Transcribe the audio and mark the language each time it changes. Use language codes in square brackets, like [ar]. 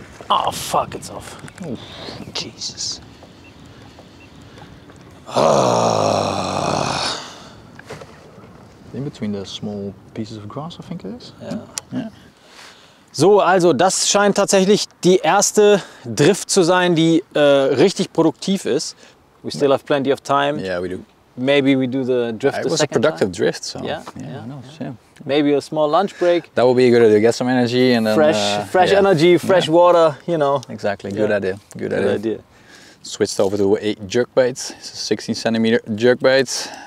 [en] Oh fuck, it's off. Ooh. Jesus. In between the small pieces of grass, I think it is. Yeah. Yeah. [de] So, also das scheint tatsächlich die erste Drift zu sein, die richtig produktiv ist. [en] We still have plenty of time. Yeah, we do. Maybe we do the drift It was a productive time. Drift, so. Yeah. Maybe a small lunch break. That would be a good idea. Get some energy and then... Fresh energy, fresh water, you know. Exactly, good idea. Good idea. Switched over to a jerk bait. It's a 16 centimeter jerk bait.